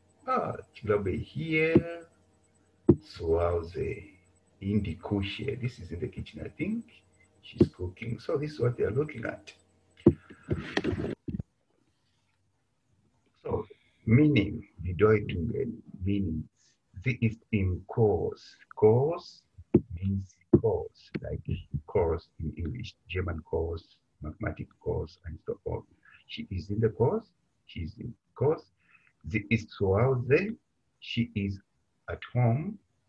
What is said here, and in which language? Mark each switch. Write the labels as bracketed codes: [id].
[de] Ah, ich glaube hier zu Hause in die Küche. [en] This is in the kitchen, I think. She's cooking. So this is what they are looking at. [de] Meaning, bedeutungen, meaning, sie ist im Kurs. [en] Kurs means course, like course in English, German course, mathematic course, and so on. She is in the course, she is in course. [de] Sie ist zu Hause, [en] she is at home.